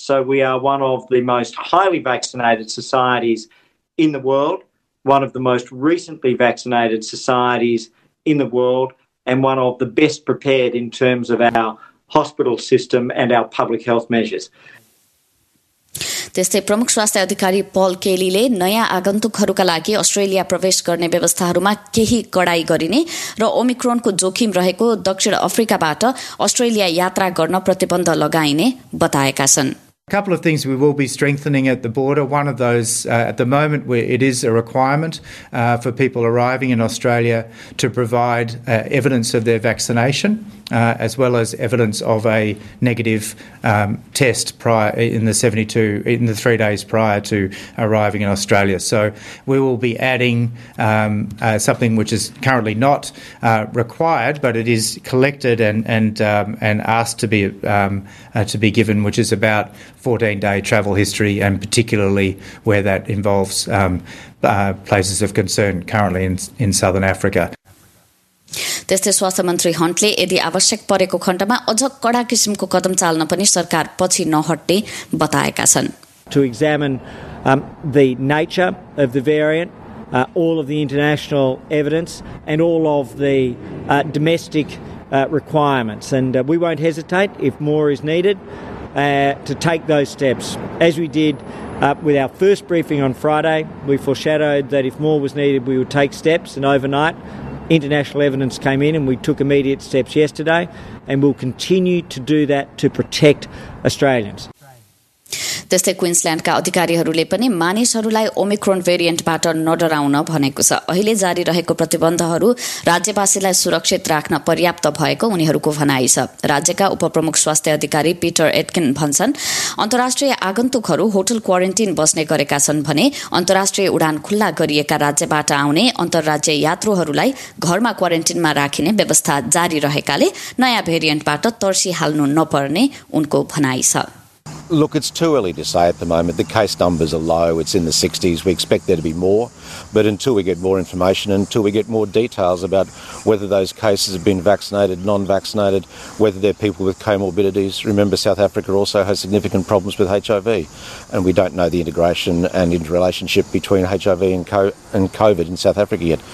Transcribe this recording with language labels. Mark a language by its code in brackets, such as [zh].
[en] So we are one of the most highly vaccinated societies in the world, one of the most recently vaccinated societies in the world, and one of the best prepared in terms of our hospital system and our public health measures. [ne] त्यस्तै प्रमुख स्वास्थ्य अधिकारी पल केलीले नयाँ आगन्तुकहरूका लागि Australia प्रवेश गर्ने व्यवस्थाहरूमा केही कडाई गरिने र ओमिक्रोनको जोखिम रहेको दक्षिण अफ्रिकाबाट अस्ट्रेलिया यात्रा गर्न प्रतिबन्ध लगाइने बताएका छन्। [en] A couple of things we will be strengthening at the border. One of those, at the moment, where it is a requirement for people arriving in Australia to provide evidence of their vaccination, as well as evidence of a negative test prior in the 3 days prior to arriving in Australia. So we will be adding something which is currently not required, but it is collected and asked to be given, which is about 14-day travel history, and particularly where that involves places of concern currently in Southern Africa. [ne] त्यस्तै स्वास्थ्य मन्त्री हन्टले यदि आवश्यक परेको खण्डमा अझ कडा किसिमको कदम चाल्न पनि सरकार पछि नहट्ने बताएका छन्। [en] To examine the nature of the variant, all of the international evidence and all of the domestic requirements, and we won't hesitate if more is needed to take those steps as we did with our first briefing on Friday. We foreshadowed that if more was needed we would take steps, and overnight international evidence came in and we took immediate steps yesterday, and we'll continue to do that to protect Australians. [ne] त्यस्तै क्विन्सल्याण्डका अधिकारीहरूले पनि मानिसहरूलाई Omicron भेरिएन्टबाट नडराउन भनेको छ। अहिले जारी रहेको प्रतिबन्धहरू राज्यवासीलाई सुरक्षित राख्न पर्याप्त भएको उनीहरूको भनाइ छ। राज्यका उपप्रमुख स्वास्थ्य अधिकारी पिटर एटकिन भन्छन्, अन्तर्राष्ट्रिय आगन्तुकहरू होटल क्वारेन्टिन बस्ने गरेका छन् भने अन्तर्राष्ट्रिय उडान खुल्ला गरिएका राज्यबाट आउने अन्तर्राज्य यात्रुहरूलाई घरमा क्वारेन्टिनमा राखिने व्यवस्था जारी रहेकाले नयाँ भेरिएन्टबाट तर्सिहाल्नु नपर्ने उनको भनाइ छ। [en] Look, it's too early to say at the moment. The case numbers are low. It's in the 60s. We expect there to be more. But until we get more information, until we get more details about whether those cases have been vaccinated, non-vaccinated, whether they're people with comorbidities. Remember, South Africa also has significant problems with HIV. And we don't know the integration and interrelationship between HIV and COVID in South Africa yet.